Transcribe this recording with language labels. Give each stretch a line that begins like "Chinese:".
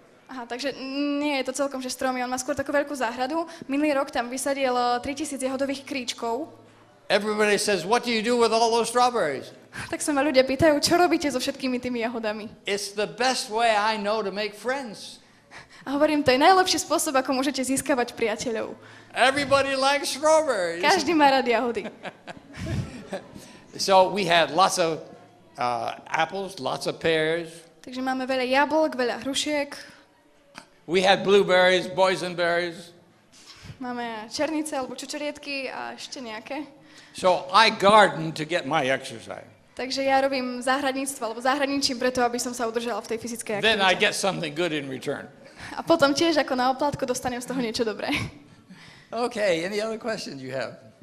Slovak: Aha, takže nie je to celkom, že stromy, on má skôr takú veľkú záhradu. Minulý rok tam vysadil 3000 jahodových kríčkov.
English: Everybody says, what do you do with all those strawberries?
Slovak: Tak sa ma ľudia pýtajú, čo robíte so všetkými tými jahodami?
English: It's the best way I know to make friends.
Slovak: A hovorím, to je najlepší spôsob, ako môžete získavať priateľov.
English: Everybody likes strawberries.
Slovak: Každý má rád jahody.
English: So we had lots of apples, lots of pears.
Slovak: Takže máme veľa jablok, veľa hrušiek.
English: We had blueberries, boysenberries.
Slovak: Máme černice alebo čučoriedky a ešte nejaké.
English: So I garden to get my exercise.
Slovak: Takže ja robím záhradníctvo alebo záhradníčim preto, aby som sa udržala v tej fyzickej aktivite.
English: Then I get something good in return.
Slovak: A potom tiež ako na oplátku dostanem z toho niečo dobré.
English: Okay, any other questions you have?